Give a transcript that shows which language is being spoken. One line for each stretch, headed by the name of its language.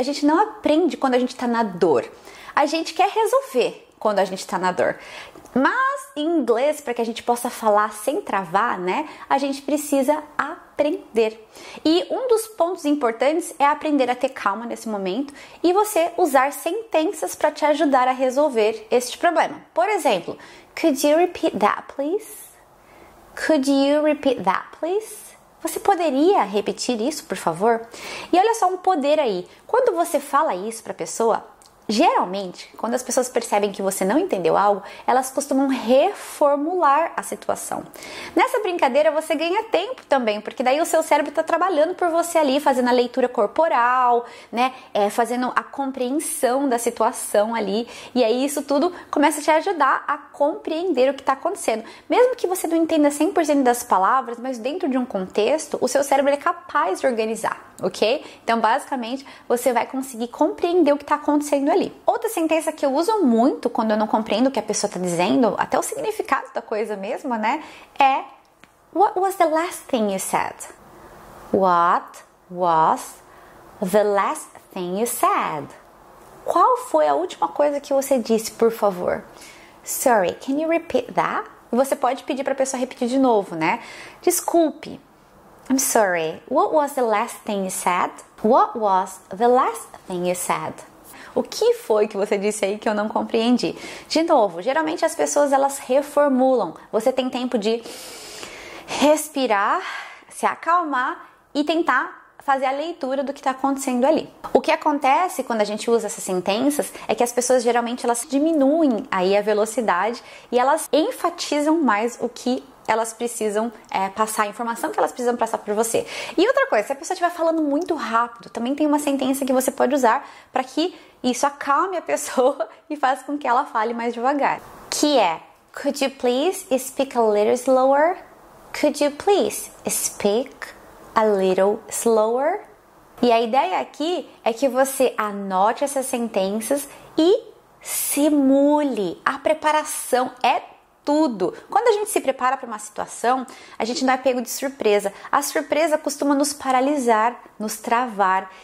Portuguese: A gente não aprende quando a gente tá na dor. A gente quer resolver quando a gente tá na dor. Mas em inglês, para que a gente possa falar sem travar, né? A gente precisa aprender. E um dos pontos importantes é aprender a ter calma nesse momento e você usar sentenças para te ajudar a resolver este problema. Por exemplo,
English: could you repeat that, please? Could you repeat that, please?
Portuguese: Você poderia repetir isso, por favor? E olha só um poder aí. Quando você fala isso para a pessoa, geralmente, quando as pessoas percebem que você não entendeu algo, elas costumam reformular a situação. Nessa brincadeira, você ganha tempo também, porque daí o seu cérebro está trabalhando por você ali, fazendo a leitura corporal, né? Fazendo a compreensão da situação ali. E aí isso tudo começa a te ajudar a compreender o que está acontecendo. Mesmo que você não entenda 100% das palavras, mas dentro de um contexto, o seu cérebro é capaz de organizar. Ok? Então, basicamente, você vai conseguir compreender o que está acontecendo ali. Outra sentença que eu uso muito quando eu não compreendo o que a pessoa está dizendo, até o significado da coisa mesmo, né?
English: É, what was the last thing you said? What was the last thing you said?
Portuguese: Qual foi a última coisa que você disse, por favor?
English: Sorry, can you repeat that?
Portuguese: E você pode pedir para a pessoa repetir de novo, né? Desculpe.
English: I'm sorry, what was the last thing you said? What was the last thing you said?
Portuguese: O que foi que você disse aí que eu não compreendi? De novo, geralmente as pessoas elas reformulam. Você tem tempo de respirar, se acalmar e tentar fazer a leitura do que está acontecendo ali. O que acontece quando a gente usa essas sentenças é que as pessoas geralmente elas diminuem aí a velocidade e elas enfatizam mais o que elas precisam passar a informação que elas precisam passar por você. E outra coisa, se a pessoa estiver falando muito rápido, também tem uma sentença que você pode usar para que isso acalme a pessoa e faça com que ela fale mais devagar. Que é:
English: Could you please speak a little slower? Could you please speak a little slower?
Portuguese: E a ideia aqui é que você anote essas sentenças e simule. A preparação é tudo. Quando a gente se prepara para uma situação, a gente não é pego de surpresa. A surpresa costuma nos paralisar, nos travar.